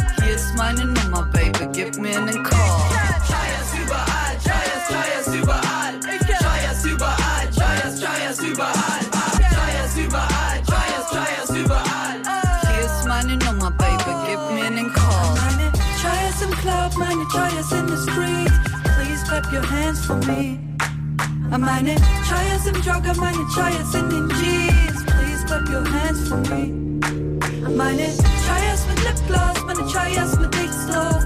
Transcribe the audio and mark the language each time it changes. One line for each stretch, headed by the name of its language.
German: Hier ist meine Nummer, Baby, gib mir einen Call. Überall, Chayas, Chayas, überall. Hier ist meine Nummer, Baby, gib mir einen Call. Chaya's im Club, meine Chaya's
English: in the street. Please clap your hands for me.
German: Meine Chaya's im Jogger, meine Chaya's in den Jeans.
English: Please clap your hands for me.
German: Meine Chaya's mit Lipgloss, meine Chaya's mit Dixlow.